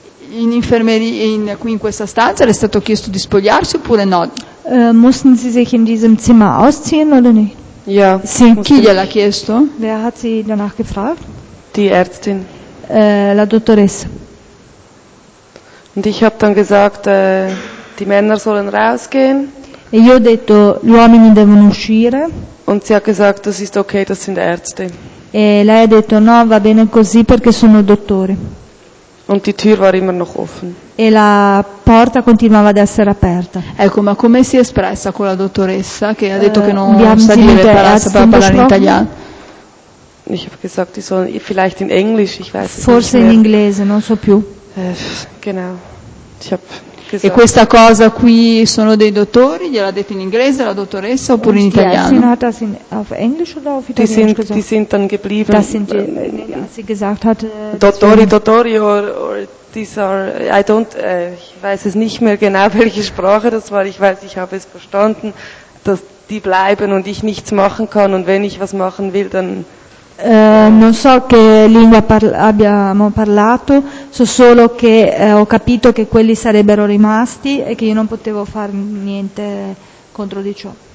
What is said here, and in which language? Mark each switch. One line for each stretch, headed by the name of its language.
Italian: In infermeria, qui in questa stanza, le è stato chiesto di spogliarsi oppure no?
German: Mussten Sie sich in diesem Zimmer ausziehen oder nicht? Ja.
Italian: Sì. Chi gliel'ha chiesto?
German: Wer hat sie danach gefragt? Die Ärztin.
Italian: La dottoressa.
German: Und ich habe dann gesagt, die Männer sollen rausgehen.
Italian: E io ho detto, gli uomini devono uscire.
German: Und sie hat gesagt, das ist okay, das sind Ärzte.
Italian: E lei ha detto, no, va bene così perché sono dottori.
German: Und die Tür war immer noch offen.
Italian: E la porta continuava ad essere aperta. Ecco, ma come si è espressa con la dottoressa che ha detto che non sa dire parlare in italiano?
German: Ich habe gesagt, die sollen vielleicht in Englisch, ich weiß nicht.
Italian: Forse in inglese, non so più.
German: Genau. Ich habe gesagt.
Italian: E questa cosa qui sono dei dottori, gliel'ha detto in inglese la dottoressa oppure
German: und
Italian: in italiano?
German: Die hat das in auf Englisch oder auf Italienisch gesagt? Die sind dann geblieben. Das sind die, sie gesagt hat,
Italian: dottori, dottori
English: or these are, I don't,
German: ich weiß es nicht mehr genau, welche Sprache das war. Ich weiß, ich habe es verstanden, dass die bleiben und ich nichts machen kann und wenn ich was machen will, dann
Italian: Non so che lingua abbiamo parlato, so solo che ho capito che quelli sarebbero rimasti e che io non potevo fare niente contro di ciò.